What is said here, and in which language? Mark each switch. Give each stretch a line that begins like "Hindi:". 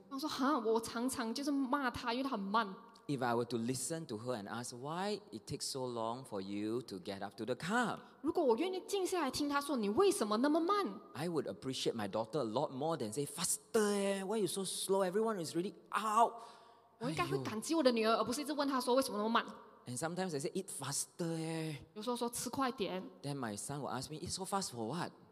Chinese: 我说, 我常常就是骂她, 因为她很慢。
English: If I were to listen to her and ask why it takes so long for you to get up to the car,
Chinese: 如果我愿意静下来听她说你为什么那么慢,
English: I would appreciate my daughter a lot more than say, faster, why are you so slow? Everyone is really out.
Chinese: 我应该会感激我的女儿，而不是一直问她说为什么那么慢。
English: And sometimes I say, eat faster.
Chinese: 有时候说吃快点。
English: Then my son will ask me, eat so fast for what?